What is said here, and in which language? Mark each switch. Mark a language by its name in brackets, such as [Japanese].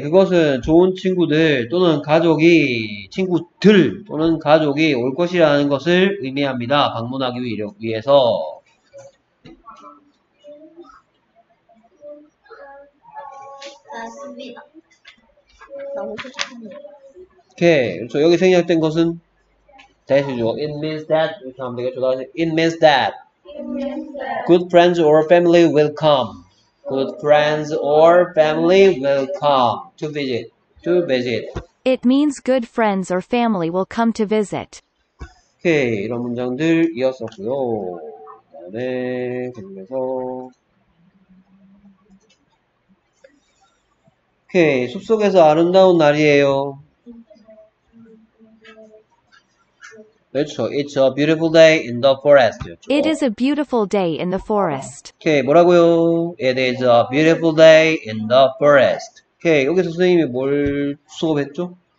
[Korean] 그것은 좋은 친구들 또는 가족이, 친구들 또는 가족이 올 것이라는 것을 의미합니다. 방문하기 위해서. 맞습니다. 너무 좋습니다. 오케이. 그렇죠. 여기 생략된 것은 대시죠. [English] It means that [Korean] 이렇게 하면 되겠죠. 다시. [English] It means that good friends or family will come. Good friends or family will come to visit. To visit. It means good friends or family will come to visit. [Korean] 오케이. 이런 문장들 이었었고요. 그다음에 계속해서. 오케이. 숲속에서 아름다운 날이에요. 그렇죠. [English] It's a beautiful day in the forest. It [Korean] 그렇죠. [English] is a beautiful day in the forest. [Korean] 오케이. 뭐라고요? [English] It is a beautiful day in the forest. [Korean] 오케이. 여기서 선생님이 뭘 수업했죠?